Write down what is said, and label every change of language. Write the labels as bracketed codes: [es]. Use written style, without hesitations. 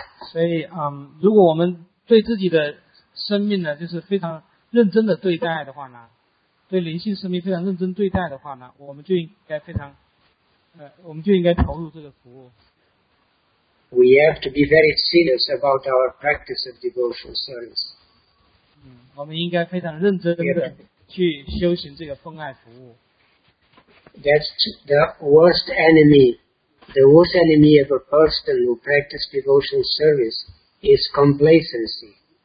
[zh] 所以如果我们对自己的生命呢，就是非常认真的对待的话呢，对灵性生命非常认真对待的话呢，我们就应该非常我们就应该投入这个服务。 [en] We have to be very serious about our practice of devotional service. [zh] 我们应该非常认真的去修行这个奉爱服务。 [en] That's the worst enemy. The worst enemy of a person who practices devotional service is complacency.